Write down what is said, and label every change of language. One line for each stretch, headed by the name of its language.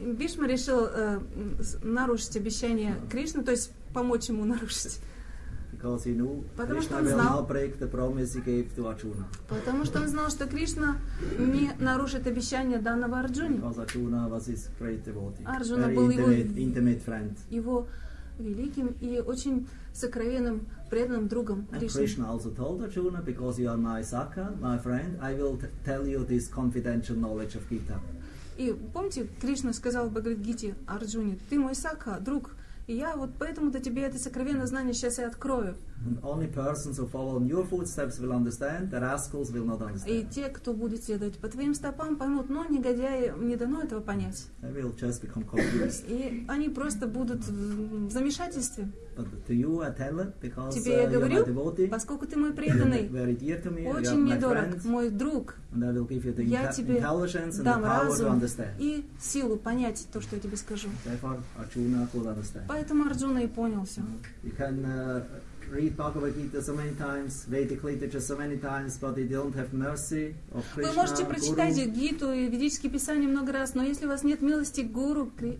Russian: Бишма решил нарушить обещание Кришны, то есть помочь ему нарушить.
English: Because he knew Krishna will not break the promise he gave to Arjuna.
Russian: Потому что он знал, что Кришна не нарушит обещание данного Арджуне.
English: Because Arjuna was his great devotee.
Russian: Арджуна был его
English: intimate friend.
Russian: Его великим и очень сокровенным преданным другом Кришне.
English: Krishna also told Arjuna, because you are my Sakha, my friend, I will tell you this confidential knowledge of Gita.
Russian: И помните, Кришна сказал Бхагавад-гите Арджуне, ты мой Сакха, друг, и я вот поэтому-то тебе это сокровенное знание сейчас и открою.
English: And only persons who follow in your footsteps will understand, the rascals will not understand.
Russian: И те, кто будет следовать по твоим стопам, поймут, но негодяи не дано этого понять.
English: They will just become confused.
Russian: И они просто будут в замешательстве.
English: But to you I tell it, because,
Russian: тебе я говорю, поскольку ты мой преданный,
English: very dear to me,
Russian: очень мне дорог,
English: friend,
Russian: мой друг,
English: and I will give you the
Russian: я тебе
English: intelligence
Russian: дам
English: and the power
Russian: разум
English: to understand.
Russian: И силу понять то, что я тебе скажу.
English: Therefore, Arjuna could understand.
Russian: Поэтому Арджуна и понял все.
English: You can, read Bhagavad Gita so many times, Vedic literature so many times, but they don't have mercy of Krishna.
Russian: Вы можете прочитать Гиту и ведические писания много раз, но если у вас нет милости гуру